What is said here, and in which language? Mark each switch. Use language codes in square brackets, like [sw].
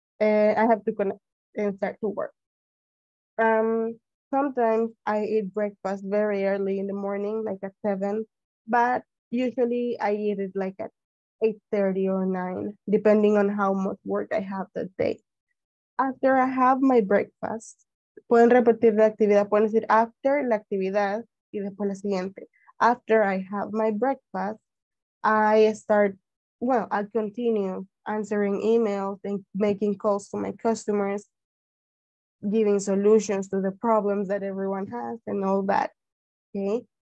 [en] I have to connect and start to work. Sometimes I eat breakfast very early in the morning, like at 7, but usually I eat it like at 8:30 or 9, depending on how much work I have that day. After I have my breakfast, [es] pueden repetir la actividad, pueden decir after la actividad, y después la siguiente. [en] After I have my breakfast, I start, well, I continue answering emails and making calls to my customers, giving solutions to the problems that everyone has and all that, okay?